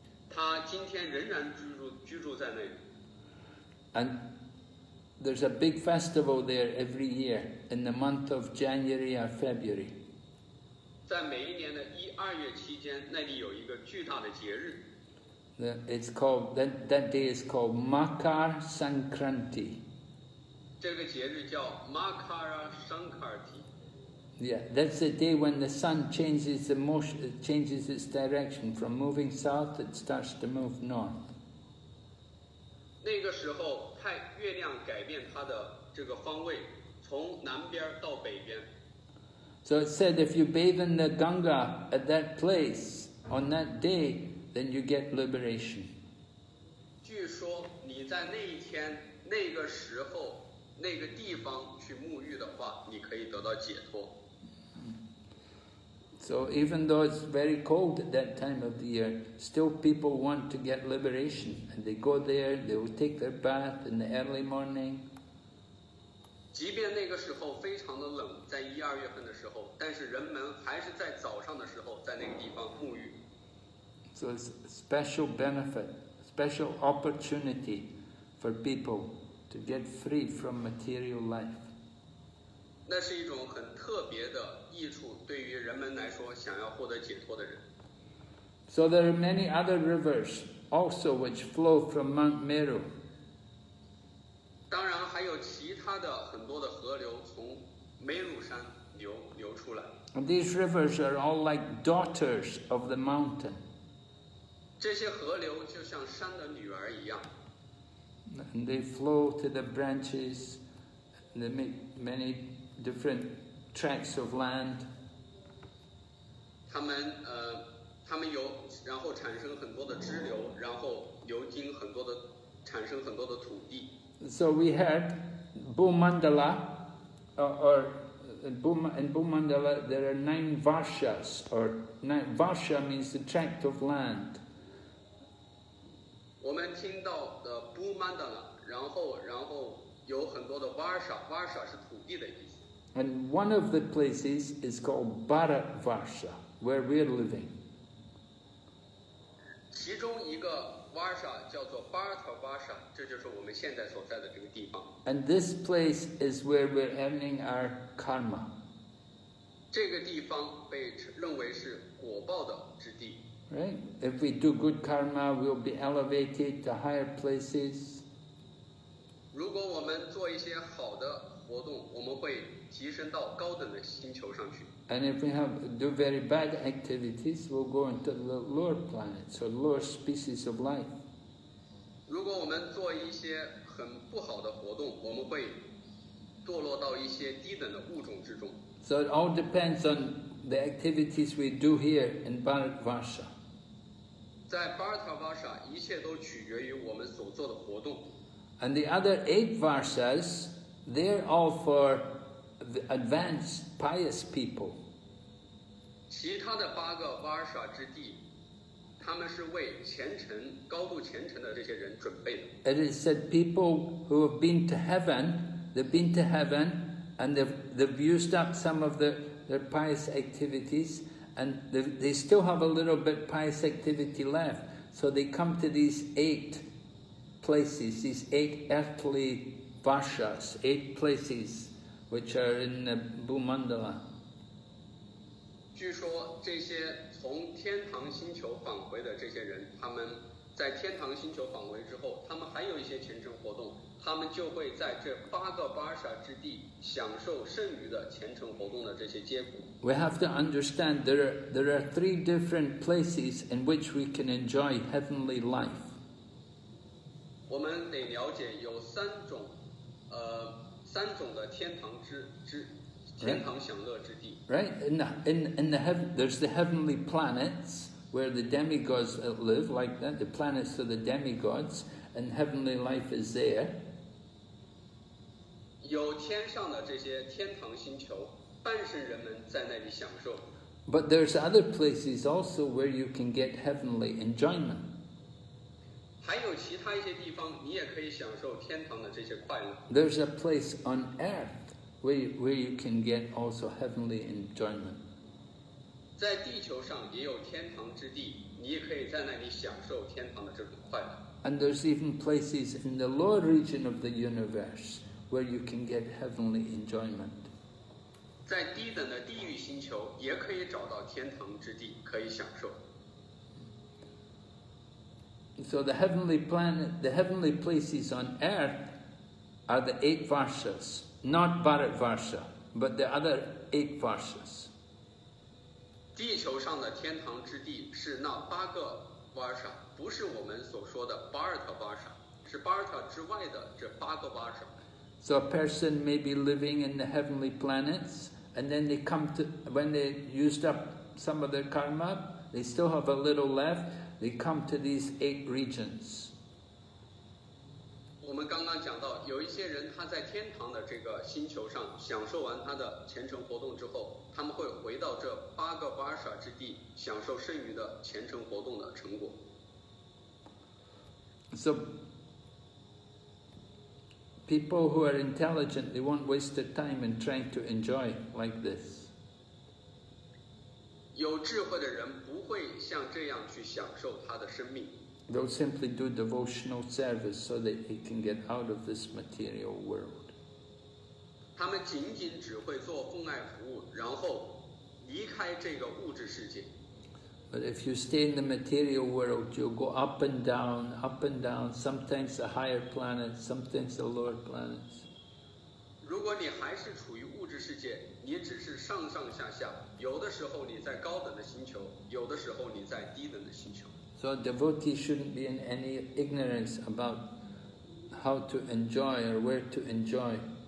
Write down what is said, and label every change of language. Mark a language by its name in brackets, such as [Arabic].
[Chinese] 他今天仍然居住在那里。 [English] There's a big festival there every year in the month of January or February. [Chinese] 在每一年的一二月期间，那里有一个巨大的节日。 [English] It's called that day is called Makar Sankranti. [Chinese] 这个节日叫 Makara Sankranti. [English] Yeah, that's the day when the sun changes its direction from moving south. It starts to move north. [Chinese] 那个时候，太月亮改变它的这个方位，从南边到北边。 [English] So it said, if you bathe in the Ganga at that place on that day, then you get liberation. [Chinese] 据说你在那一天、那个时候、那个地方去沐浴的话，你可以得到解脱。 [English] So even though it's very cold at that time of the year, still people want to get liberation. And they go there, they will take their bath in the early morning. [Chinese] 即便那个时候非常的冷，在一二月份的时候，但是人们还是在早上的时候在那个地方沐浴。 [English] So it's a special benefit, special opportunity for people to get free from material life. [Chinese] 那是一种很特别的益处，对于人们来说，想要获得解脱的人。 [English] So there are many other rivers also which flow from Mount Meru. [Chinese] 当然还有其他的很多的河流从梅鲁山流出来。 [English] And these rivers are all like daughters of the mountain. [Chinese] 这些河流就像山的女儿一样。 [English] And they flow to the branches, and they make many different tracts of land. [Chinese] 他们有然后产生很多的支流，然后流经很多的产生很多的土地。 [English] So we had Bhumandala, or in Bhumandala there are 9 varshas, or varsha means the tract of land. [Chinese] 我们听到的 Bhumandala, 然后有很多的 varsha 是土地的意思。 [English] And one of the places is called Bharatvarsha, where we are living. [Chinese] 其中一个 Varsha 叫做 Bharatvarsha， 这就是我们现在所在的这个地方。 [English] And this place is where we're earning our karma。 [Chinese] 这个地方被认为是果报的之地。 [English] Right? If we do good karma, we'll be elevated to higher places。 [Chinese] 如果我们做一些好的活动，我们会提升到高等的星球上去。 [English] And if we have do very bad activities, we'll go into the lower planets or lower species of life. [Chinese] 如果我们做一些很不好的活动，我们会堕落到一些低等的物种之中。 [English] So it all depends on the activities we do here in Bharatvarsha. [Chinese] 在 Bharatvarsha， 一切都取决于我们所做的活动。 [English] And the other 8 varshas, they're all for. The advanced pious people. [Chinese] 其他的八个 Varsha 之地，他们是为虔诚、高度虔诚的这些人准备的。 [English] It is said people who have been to heaven, they've been to heaven, and they've used up some of their pious activities, and they still have a little bit pious activity left. So they come to these 8 places, these 8 earthly Varshas, 8 places. Which are in the Bhumandala. [Chinese] 据说这些从天堂星球返回的这些人，他们在天堂星球返回之后，他们还有一些虔诚活动，他们就会在这八个 Varsha 之地享受剩余的虔诚活动的这些结果。 [English] We have to understand there are 3 different places in which we can enjoy heavenly life. [Chinese] 我们得了解有三种的天堂享乐之地。 [English] Right, in the heaven, there's the heavenly planets where the demigods live, like that, the planets of the demigods, and heavenly life is there. [Chinese] 有天上的这些天堂星球，半生人们在那里享受。 [English] But there's other places also where you can get heavenly enjoyment. [Chinese] 还有其他一些地方，你也可以享受天堂的这些快乐。 [English] There's a place on earth where you can get also heavenly enjoyment. [Chinese] 在地球上也有天堂之地，你也可以在那里享受天堂的这种快乐。 [English] And there's even places in the lower region of the universe where you can get heavenly enjoyment. [Chinese] 在低等的地狱星球也可以找到天堂之地，可以享受。 [English] So the heavenly places on earth are the 8 varshas, not Bharatvarsha, but the other 8 varshas. [Chinese] 地球上的天堂之地是那八个 varsha， 不是我们所说的 Bharatvarsha， 是 Bharata 之外的这八个 varsha. [English] So a person may be living in the heavenly planets, and then they come to, when they used up some of their karma, they still have a little left,They come to these 8 regions. [Chinese] 我们刚刚讲到，有一些人他在天堂的这个星球上享受完他的虔诚活动之后，他们会回到这八个 Varsha 之地，享受剩余的虔诚活动的成果。 [English] So, people who are intelligent, they won't waste their time in trying to enjoy like this. [Chinese] 有智慧的人不会会像这样去享受他的生命。 [English] They'll simply do devotional service so that he can get out of this material world. [Chinese] 他们仅仅只会做奉爱服务，然后离开这个物质世界。 [English] But if you stay in the material world, you'll go up and down, up and down, sometimes the higher planets, sometimes the lower planets. [Chinese] 如果你还是处于物质世界，你只是上上下下，有的时候你在高等的星球，有的时候你在低等的星球。 [English] So a devotee shouldn't be in any ignorance about how to enjoy or where to enjoy.